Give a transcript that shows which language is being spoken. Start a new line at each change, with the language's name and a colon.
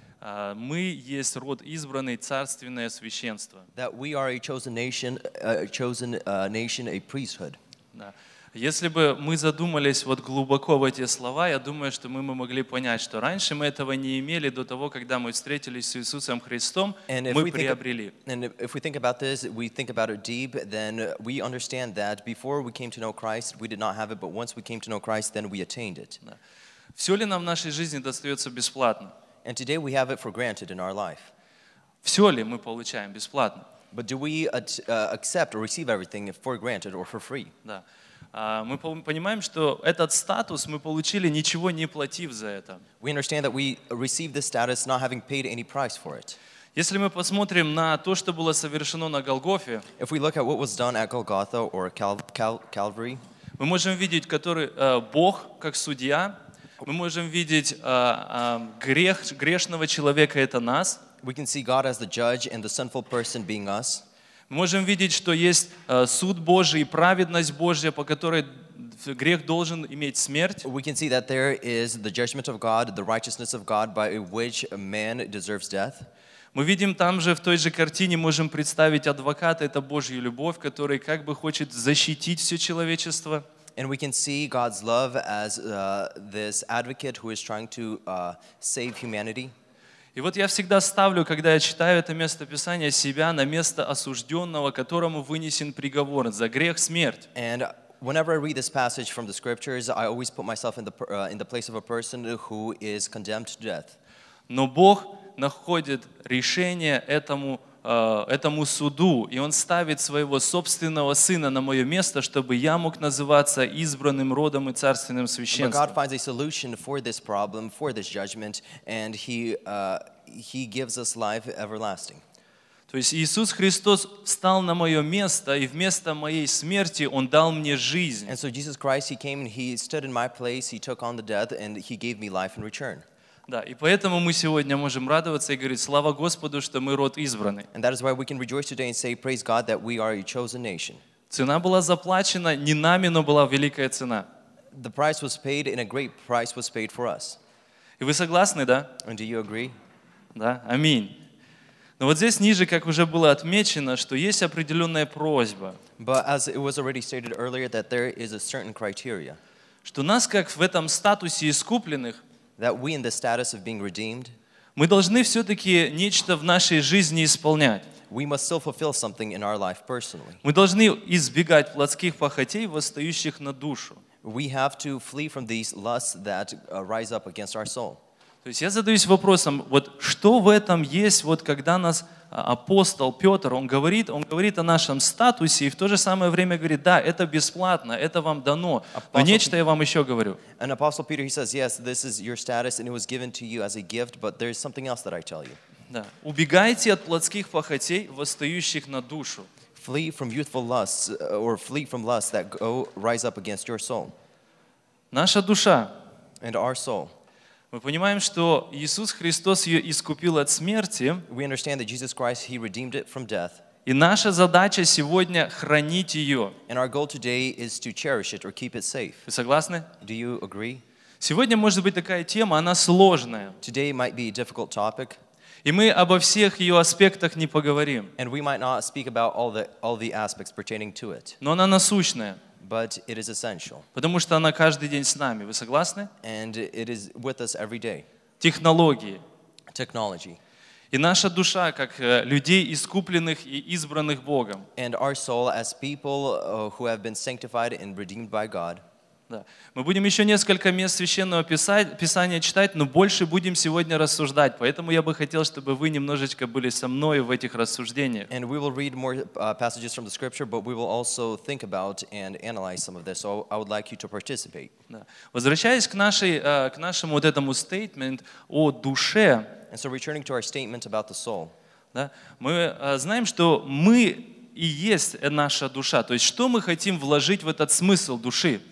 Russian: Мы есть род избранный, царственное священство.
English: That we are a chosen nation, a priesthood.
Russian: Если бы мы задумались вот глубоко в эти слова, я думаю, что мы могли понять, что раньше мы этого не имели до того, когда мы встретились с Иисусом Христом, мы приобрели.
English: And if we think about this, we think about it deep, then we understand that before we came to know Christ, we did not have it, but once we came to know Christ, then we attained it.
Russian: Все ли нам в нашей жизни достается бесплатно?
English: And today we have it for granted in our life.
Russian: Все ли мы получаем бесплатно?
English: But do we accept or receive everything for granted or for free?
Russian: Да. Мы понимаем, что этот статус мы получили, ничего не платив за это.
English: We understand that we received this status not having paid any price for it.
Russian: Если мы посмотрим на то, что было совершено на Голгофе,
English: if we look at what was done at Golgotha or Calvary,
Russian: мы можем видеть, который Бог как судья, мы можем видеть грешного человека, это нас.
English: We can see God as the judge and the sinful person being us.
Russian: Мы можем видеть, что есть суд Божий, праведность Божья, по которой грех должен иметь смерть.
English: We can see that there is the judgment of God, the righteousness of God, by which man deserves death.
Russian: Мы видим там же, в той же картине, можем представить адвоката, это Божья любовь, который как бы хочет защитить все человечество.
English: And we can see God's love as this advocate who is trying to save humanity.
Russian: И вот я всегда ставлю, когда я читаю это место Писания, себя на место осужденного, которому вынесен приговор за грех, смерть.
English: And whenever I read this passage from the scriptures, I always put myself in the place of a person who is condemned to death.
Russian: Но Бог находит решение этому суду, и Он ставит своего собственного Сына на мое место, чтобы я мог называться избранным родом и царственным священством.
English: But God finds a solution for this problem, for this judgment, and he gives us life everlasting.
Russian: То есть Иисус Христос встал на мое место, и вместо моей смерти Он дал мне жизнь.
English: And so Jesus Christ, He came and He stood in my place, He took on the death, and He gave me life in return.
Russian: Да, и поэтому мы сегодня можем радоваться и говорить, слава Господу, что мы род избранный.
English: And that is why we can rejoice today and say, praise God, that we are a chosen nation.
Russian: Цена была заплачена не нами, но была великая цена.
English: The price was paid, and a great price was paid for us.
Russian: И вы согласны, да?
English: And do you agree?
Russian: Да, аминь. Но вот здесь ниже, как уже было отмечено, что есть определенная просьба.
English: But as it was already stated earlier, that there is a certain criteria.
Russian: Что нас, как в этом статусе искупленных,
English: that we in the status of being redeemed,
Russian: мы должны все-таки нечто в нашей жизни исполнять.
English: We must still fulfill something in our life personally.
Russian: Мы должны избегать плотских похотей, восстающих на душу.
English: We have to flee from these lusts that rise up against our soul.
Russian: То есть я задаюсь вопросом, вот что в этом есть, вот когда нас апостол Петр, он говорит о нашем статусе и в то же самое время говорит, да, это бесплатно, это вам дано, но нечто я вам еще говорю.
English: And apostle Peter, he says, yes, this is your status and it was given to you as a gift, but there is something else that I tell you.
Russian: Да. Убегайте от плотских похотей, восстающих на душу.
English: Flee from youthful lusts or flee from lusts that go rise up against your soul.
Russian: Наша душа.
English: And our soul.
Russian: Мы понимаем, что Иисус Христос ее искупил от смерти.
English: We understand that Jesus Christ, He redeemed it from death.
Russian: И наша задача сегодня хранить ее.
English: And our goal today is to cherish it or keep it safe.
Russian: Вы согласны?
English: Do you agree?
Russian: Сегодня может быть такая тема, она сложная.
English: Today might be a difficult topic.
Russian: И мы обо всех ее аспектах не поговорим.
English: And we might not speak about all the aspects pertaining to it.
Russian: Но она насущная.
English: But it is essential.
Russian: Потому что она каждый день с нами. Вы согласны?
English: And it is with us every day.
Russian: Технологии.
English: Technology.
Russian: И наша душа, как людей, искупленных и избранных Богом.
English: And our soul as people who have been sanctified and redeemed by God.
Russian: Да. Мы будем еще несколько мест Священного Писания читать, но больше будем сегодня рассуждать. Поэтому я бы хотел, чтобы вы немножечко были со мной в этих рассуждениях.
English: And we will read more passages from the Scripture, but we will also think about and analyze some of this. So I would like you to participate.
Russian: Да. Возвращаясь к нашему вот этому statement о душе.
English: And so returning to our statement about the soul.
Russian: Да, мы знаем, что мы и есть наша душа. То есть, что мы хотим вложить в этот смысл души?